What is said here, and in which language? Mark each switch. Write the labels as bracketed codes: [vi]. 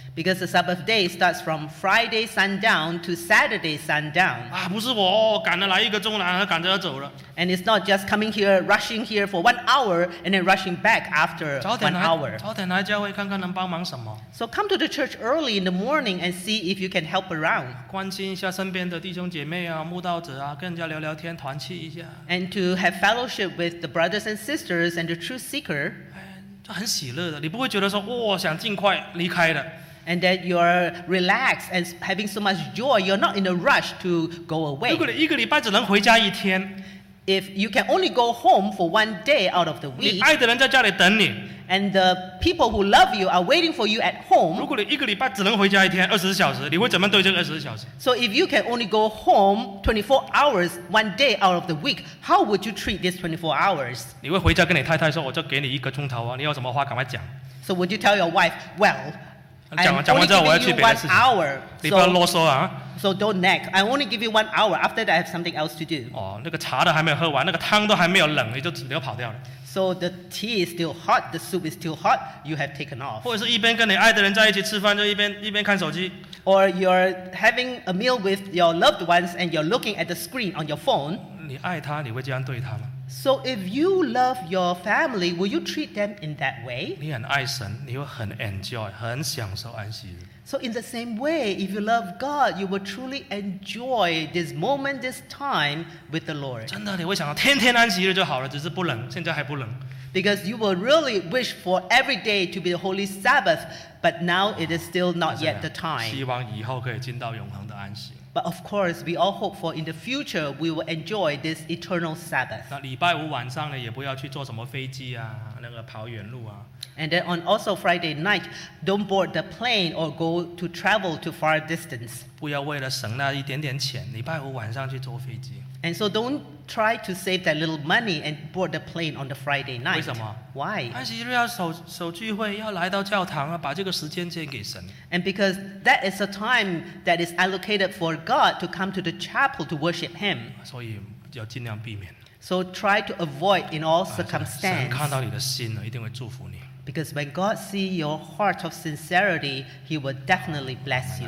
[en] Because the Sabbath day starts from Friday sundown to Saturday sundown. [zh] 啊，不是我，赶着来一个钟，然后赶着要走了。 [en] And it's not just coming here, rushing here for 1 hour, and then rushing back after [zh] 早点来, [en] 1 hour. [zh] 早点来教会看看能帮忙什么。 [en] So come to the church early in the morning and see if you can help around. [zh] 关心一下身边的弟兄姐妹啊，慕道者啊，跟人家聊聊天，团契一下。 [en] And to have fellowship with the brothers and sisters and the truth seeker. [zh] 就很喜乐的，你不会觉得说，哇，想尽快离开了。 [en] And that you're relaxed and having so much joy, you're not in a rush to go away. [zh] 如果你一个礼拜只能回家一天。 [en] If you can only go home for 1 day out of the week, [zh] 你爱的人在家里等你, [en] and the people who love you are waiting for you at home, [zh] 如果你一个礼拜只能回家一天, 20小时, 你会怎么对这个20小时? [en] So if you can only go home 24 hours, 1 day out of the week, how would you treat this 24 hours? [zh] 你会回家跟你太太说, 我就给你一个钟头啊, 你有什么话, 赶快讲。 [en] So would you tell your wife, well, [zh] 讲完之后我要去别的事情。 [en] So don't nag. I only give you 1 hour. After that, I have something else to do. [zh] 哦，那个茶都还没有喝完，那个汤都还没有冷，你就只能跑掉了。So [en] the tea is still hot. The soup is still hot. You have taken off. [zh] 或者是一边跟你爱的人在一起吃饭，就一边看手机。 [en] Or you're having a meal with your loved ones and you're looking at the screen on your phone. [zh] 你爱他，你会这样对他吗？ [en] So if you love your family, will you treat them in that way? [zh] 你很爱神，你会很enjoy，很享受安息日。 [en] So in the same way, if you love God, you will truly enjoy this moment, this time with the Lord. [zh] 真的，你会想到天天安息日就好了，只是不冷，现在还不冷。 [en] Because you will really wish for every day to be the Holy Sabbath, but now it is still not yet the time. [zh] 希望以后可以进到永恒的安息。 [en] But of course, we all hope for in the future we will enjoy this eternal Sabbath. [zh] 那礼拜五晚上呢，也不要去坐什么飞机啊，那个跑远路啊。 [en] And then on also Friday night, don't board the plane or go to travel to far distance. [zh] 不要为了省那一点点钱，礼拜五晚上去坐飞机。 [en] And so don't try to save that little money and board the plane on the Friday night. [zh] 为什么？ [en] Why? [zh] 安息日要守聚会，要来到教堂啊，把这个时间献给神。 [en] And because that is a time that is allocated for God to come to the chapel to worship Him. [zh] 所以要尽量避免。 [en] So try to avoid in all circumstances. [zh] 神看到你的心了，一定会祝福你。 [en] Because when God sees your heart of sincerity, He will definitely bless you.